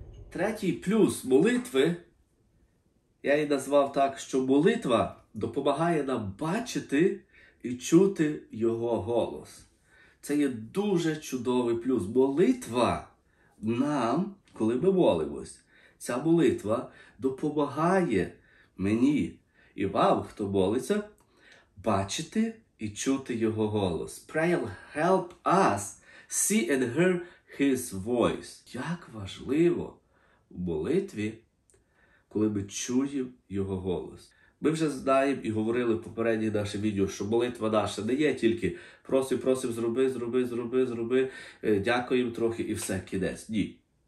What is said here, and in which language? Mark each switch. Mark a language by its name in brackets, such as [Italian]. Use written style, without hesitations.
[Ukrainian] Третій плюс молитви, я її назвав так, що молитва допомагає нам бачити і чути Його голос. Це є дуже чудовий плюс. Молитва нам, коли ми молимось, ця молитва допомагає мені і вам, хто молиться, бачити і чути Його голос. [English] Prayer help us see and hear His voice. [Ukrainian] Як важливо в молитві, коли ми чуємо Його голос. Ми вже знаємо і говорили в попередніх наших відео, що молитва наша не є тільки просимо, зроби, дякуємо трохи і все, кінець. Ні.